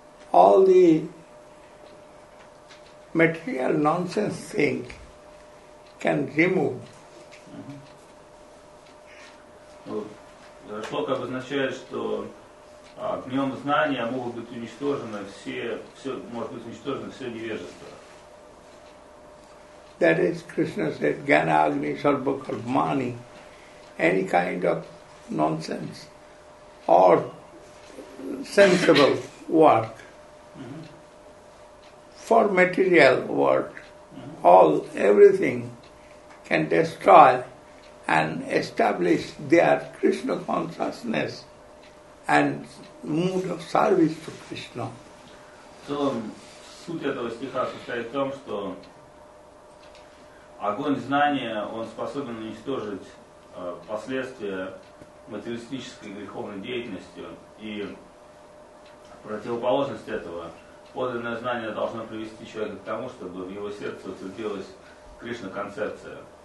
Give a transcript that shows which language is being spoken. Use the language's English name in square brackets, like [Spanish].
[English] All the material nonsense thing can remove. [Russian] Шлока обозначает, что огнем знания могут быть уничтожены может быть уничтожено все невежество. [English] That is, Krishna said, [Sanskrit] Jnana Agni Sarva Karmani, [English] any kind of nonsense or sensible work for material world, everything can destroy and establish their Krishna consciousness and mood of service to Krishna. [Russian] В целом, суть этого стиха состоит в том, что огонь знания, он способен уничтожить последствия материалистической греховной деятельности, и противоположность этого, подлинное знание должно привести человека к тому, чтобы в его сердце утвердилась Кришна-концепция.